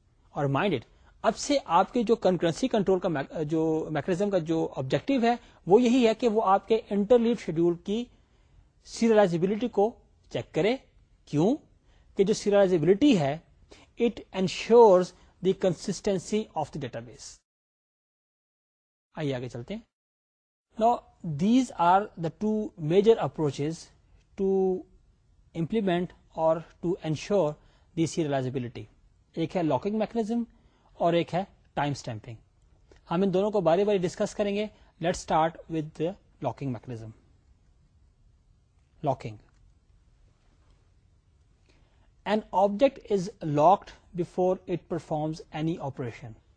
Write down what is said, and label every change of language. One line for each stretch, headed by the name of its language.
Urdu: اور mind it, اب سے آپ کے جو کنکرنسی کنٹرول کا جو میکنزم کا جو آبجیکٹو ہے وہ یہی ہے کہ وہ آپ کے انٹرلیو شیڈیول کی سیریلائزبلٹی کو چیک کرے. کیوں؟ کہ جو سیریلائزبلٹی ہے
English: It ensures the consistency of the database.
Urdu: آئیے آگے چلتے ہیں.
English: Now these are the two major approaches to implement or to ensure the serializability. ایک ہے
Urdu: locking mechanism اور ایک ہے time stamping. ہم ان دونوں کو باری باری ڈسکس کریں گے.
English: Let's start with the locking mechanism. Locking. An object is locked before it performs any operation.